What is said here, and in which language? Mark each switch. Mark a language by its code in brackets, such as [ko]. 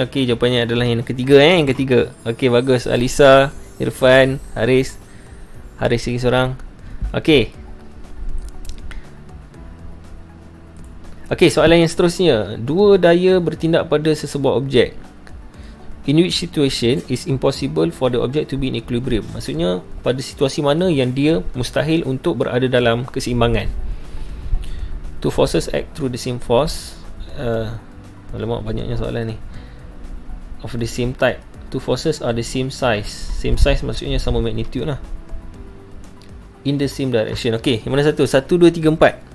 [ms] Okay, jawapannya adalah yang ketiga. Okay, bagus. Alisa, Irfan, Haris. Haris lagi seorang. Okey. Okey, soalan yang seterusnya. Dua daya bertindak pada sesebuah objek. [en] In which situation is impossible for the object to be in equilibrium? [ms] Maksudnya, pada situasi mana yang dia mustahil untuk berada dalam keseimbangan? [en] Two forces act through the same force. [ms] Alamak, banyaknya soalan ni. [en] Of the same type. Two forces are the same size. Same size [ms] maksudnya sama magnitude lah. [en] In the same direction. [ms] Okey, yang mana satu? [en] 1, 2, 3, 4.